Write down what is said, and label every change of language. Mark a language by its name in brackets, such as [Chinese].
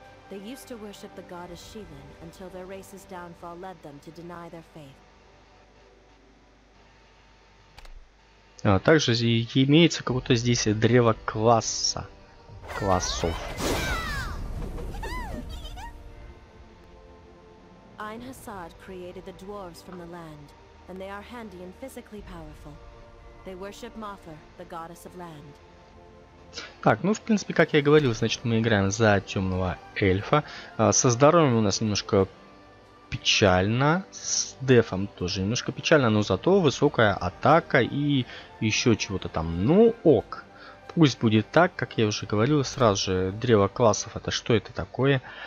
[English] They used to worship the goddess Shivan until their race's downfall led them to deny their faith. [Russian] Также имеется какое-то здесь древо класса. Классов. [English] Айн-Хасад created the dwarves from the land, and they are handy and physically powerful. They worship Mothr, the goddess of land. [Russian] Так, ну, в принципе, как я и говорил, значит, мы играем за темного эльфа. Со здоровьем у нас немножко печально, с дефом тоже немножко печально, но зато высокая атака и еще чего-то там. Ну ок, пусть будет так, как я уже говорил. Сразу же, древо классов — это что это такое?